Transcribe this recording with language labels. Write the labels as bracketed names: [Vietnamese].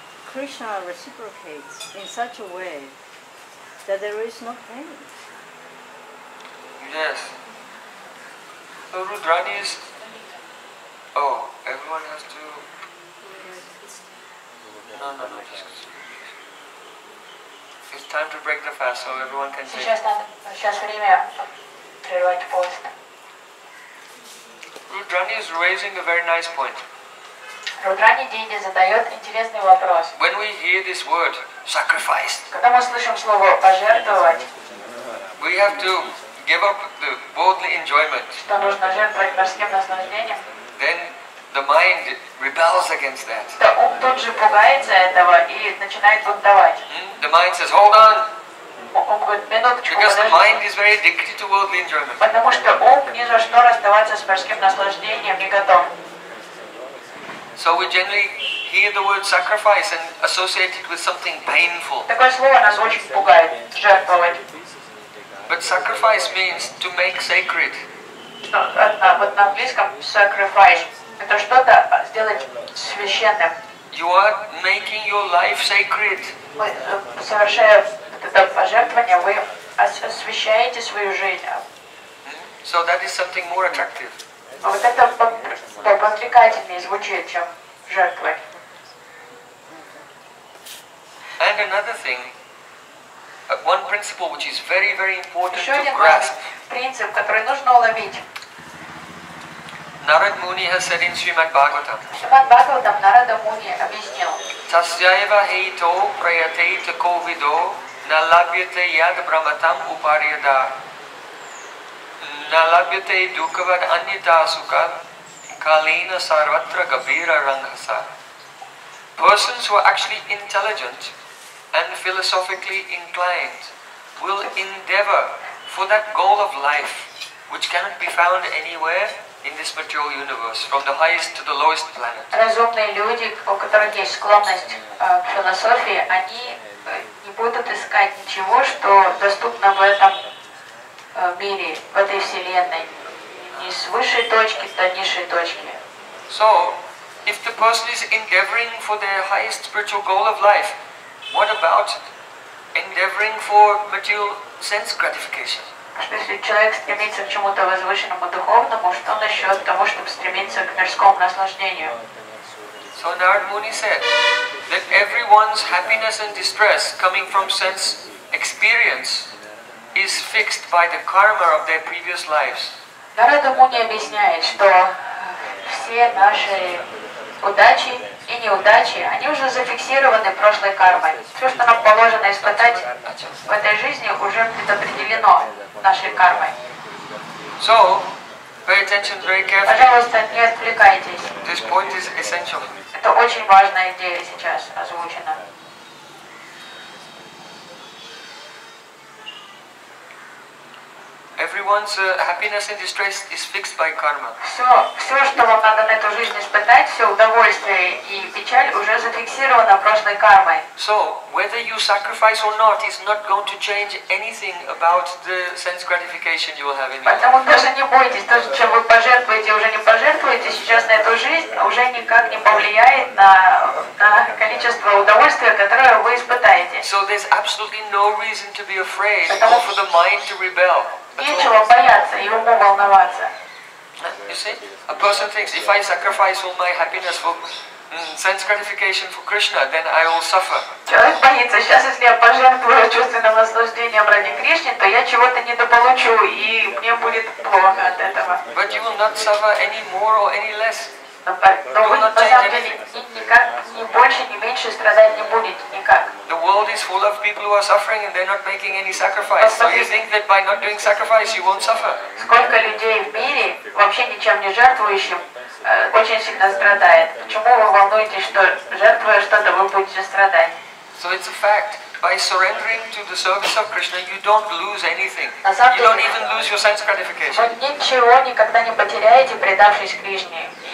[English] Krishna reciprocates in such a way that there is no pain. Yes. So Rudrani is... Oh, everyone has to... No. It's time to break the fast, so everyone can see. [Russian] Сейчас время прервать пост. [English] Rudrani is raising a very nice point. [Russian] Rudrani Dini задает интересный вопрос. [English] When we hear this word, sacrifice. [Russian] Когда мы слышим слово пожертвовать. [English] We have to give up the worldly enjoyment. [Russian] Что нужно жертвовать мирским наслаждением? [English] Then the mind rebels against that. [Russian] Да, ум тут же пугается этого и начинает бунтовать. [English] The mind says, hold on. [Russian] Ум говорит, минуточку, [English] because the mind is very addicted to worldly enjoyment. [Russian] Потому что ум ни за что расставаться с мирским наслаждением не готов. [English] So we generally hear the word sacrifice and associate it with something painful. [Russian] Такое слово нас очень пугает, жертвовать. [English] But sacrifice means to make sacred. [Russian] Вот на английском sacrifice. Это что-то сделать священным. [English] You are making your life sacred. [Russian] Вы, совершая вот это пожертвование, вы освящаете свою жизнь. [English] So that is something more attractive. [Russian] А вот это привлекательнее звучит, чем жертвовать. [English] And another thing, one principle which is very, very important to grasp. [Russian] Принцип, который нужно уловить. [English] Narad Muni has said in Srimad Bhagavatam. [Russian] Srimad Bhagavatam Narada Muni объяснил. [Sanskrit] Tasyaiva heito prayate tako vido na labhyate yad brahmatam upariyada. Na labhyate dukavad anyata sukha Kalina Sarvatra Gabira Ranghasa. [English] Persons who are actually intelligent and philosophically inclined will endeavor for that goal of life which cannot be found anywhere in this material universe, from the highest to the lowest planet. [Russian] Разумные люди, у которых есть склонность к философии, они не будут искать ничего, что доступно в этом мире, в этой вселенной, ни с высшей точки, ни с низшей точки. [English] So, if the person is endeavoring for their highest spiritual goal of life, what about endeavoring for material sense gratification? [Russian] Что если человек стремится к чему-то возвышенному духовному, что насчет того, чтобы стремиться к мирскому наслаждению? [English] So Narad Muni said that everyone's happiness and distress coming from sense experience is fixed by the karma of their previous lives. [Russian] Narad Muni объясняет, что все наши удачи и неудачи, они уже зафиксированы прошлой кармой. Все, что нам положено испытать в этой жизни, уже предопределено нашей кармой. [English] So, pay attention very carefully. [Russian] Пожалуйста, не отвлекайтесь. [English] This point is essential. [Russian] Это очень важная идея сейчас озвучена. [English] Everyone's happiness and distress is fixed by karma. [Russian] Все, что вам надо на эту жизнь испытать, все удовольствие и печаль уже зафиксировано прошлой кармой. [English] So, whether you sacrifice or not is not going to change anything about the sense gratification you will have in your life. [Russian] Поэтому даже не бойтесь, то, чем вы пожертвуете, уже не пожертвуете сейчас на эту жизнь, уже никак не повлияет на количество удовольствия, которое вы испытаете. [English] So, there's absolutely no reason to be afraid or for the mind to rebel. [Russian] Нечего бояться и уму волноваться. [English] You see, a person thinks if I sacrifice all my happiness for sense gratification for Krishna, then I will suffer. [Russian] Человек боится, сейчас если я пожертвую чувственным наслаждением ради Кришны, то я чего-то недополучу и мне будет плохо от этого. [English] But you will not suffer any more or any less. [Russian] Но вы на самом деле никак ни больше ни меньше страдать не будете никак. [English] The world is full of people who are suffering and they're not making any sacrifice. So you think that by not doing sacrifice you won't suffer? [Russian] Сколько людей в мире вообще ничем не жертвующим очень сильно страдает. Почему вы волнуетесь, что жертвуя что-то вы будете страдать? [English] So it's a fact. By surrendering to the service of Krishna, you don't lose anything. [Russian] Деле, [English] you don't even lose your sense gratification. [Russian] Вы ничего никогда не потеряете, предавшись Кришне.